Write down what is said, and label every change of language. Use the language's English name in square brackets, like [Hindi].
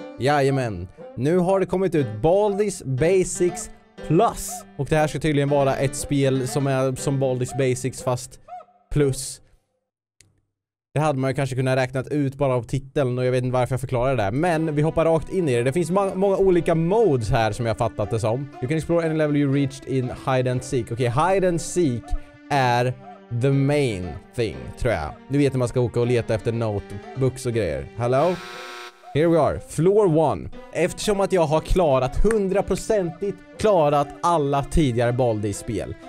[Swedish] Jajamän, nu har det kommit ut Baldi's Basics Plus. Och det här ska tydligen vara ett spel som är som Baldi's Basics fast plus. Det hade man ju kanske kunnat räknat ut bara av titeln, och jag vet inte varför jag förklarar det där. Men vi hoppar rakt in i det. Det finns många olika modes här som jag fattat det som. [English] You can explore any level you reached in hide and seek. Okej, hide and seek är the main thing, tror jag. [Swedish] Nu vet man ska åka och leta efter notebooks och grejer. Hello? [English] Here we are, floor one. [Swedish] Eftersom att jag har klarat 100%igt klarat alla tidigare Baldi-spel.